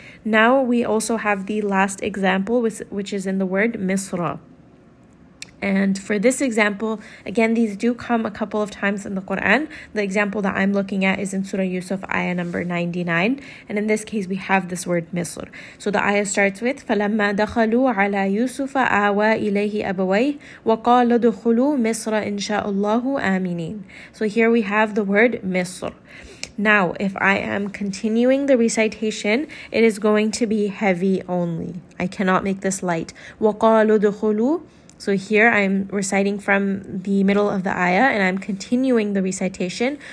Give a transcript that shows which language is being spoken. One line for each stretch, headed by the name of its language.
English: Now we also have the last example, which is in the word misra. And for this example, again, these do come a couple of times in the Quran. The example that I'm looking at is in Surah Yusuf, ayah number 99. And in this case, we have this word misr. So the ayah starts with
Arabic: فَلَمَّا دَخَلُوا عَلَى يُوسُفَ آوَى إِلَيْهِ أَبَوَيْهِ وَقَالَ دُخُلُوا مِصْرَ إِنْ شَاءُ اللَّهُ آمِنِينَ.
English: So here we have the word misr. Now, if I am continuing the recitation, it is going to be heavy only. I cannot make this light.
Arabic: وَقَالَ دُخُلُوا.
English: So here I'm reciting from the middle of the ayah and I'm continuing the recitation.